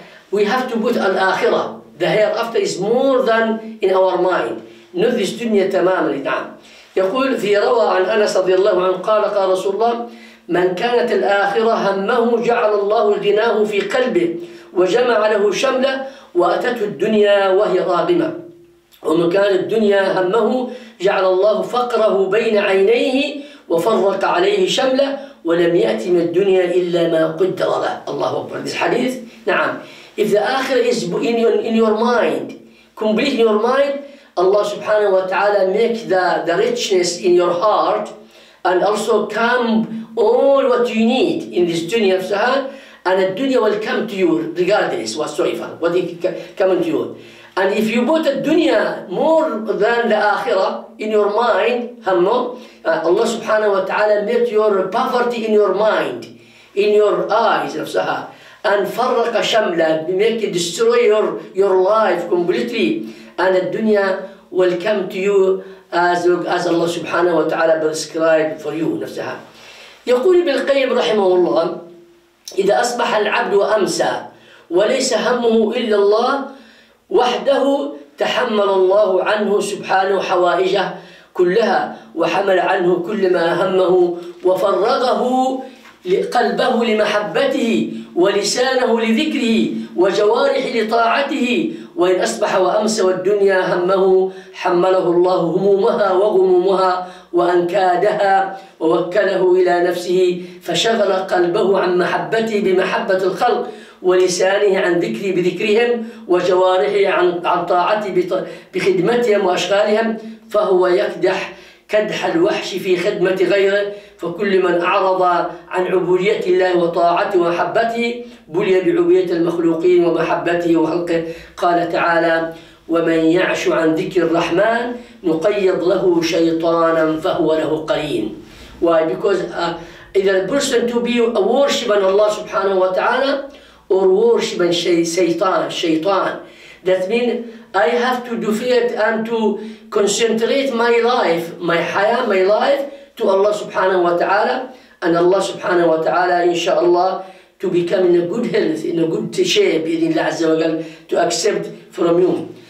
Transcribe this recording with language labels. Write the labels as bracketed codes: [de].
[en] We have to put الآخرة, the hereafter is more than in our mind. Not this dunya tamamly. [ar] يقول في روى عن أنس رضي الله عنه قال قال رسول الله من كانت الآخرة همه جعل الله غناه في قلبه وجمع له شمله وأتته الدنيا وهي راغمة. ومن كانت الدنيا همه جعل الله فقره بين عينيه وفرق عليه شمله ولم يأتي من الدنيا إلا ما قدر له. الله أكبر. هذا الحديث. نعم. [en] If the آخرة is in your mind, complete in your mind, Allah subhanahu wa ta'ala make the richness in your heart and also come all what you need in this dunya and the dunya will come to you regardless whatsoever, what is coming to you. And if you put a dunya more than the akhirah in your mind, Allah subhanahu wa ta'ala make your poverty in your mind, in your eyes, and [ar] farraqa shamla, [en] make it destroy your life completely. And the dunya will come to you as Allah subhanahu wa ta'ala prescribed for you. [ar] نفسها. يقول ابن القيم رحمه الله إذا أصبح العبد أمسى وليس همه إلا الله وحده تحمل الله عنه سبحانه حوائجه كلها وحمل عنه كل ما همه وفرغه قلبه لمحبته ولسانه لذكره وجوارحه لطاعته وإن أصبح وأمس والدنيا همه حمله الله همومها وغمومها وأنكادها ووكله إلى نفسه، فشغل قلبه عن محبته بمحبة الخلق، ولسانه عن ذكري بذكرهم، وجوارحه عن طاعتي بخدمتهم وأشغالهم، فهو يكدح كدح الوحش في خدمة غيره. فكل من أعرض عن عبودية الله وطاعته ومحبته بلي بعبودية المخلوقين ومحبته وخلقه. قال تعالى: ومن يعش عن ذكر الرحمن نقيض له شيطانا فهو له قرين. [en] Why? Because إذا person to be a worshiper of Allah سبحانه وتعالى or worshiper شيطان. That means I have to defeat and to concentrate my life, my haya, my life to Allah subhanahu wa ta'ala, and Allah subhanahu wa ta'ala inshaAllah to become in a good health, in a good shape, in Allah Azza wa Jalla, to accept from you.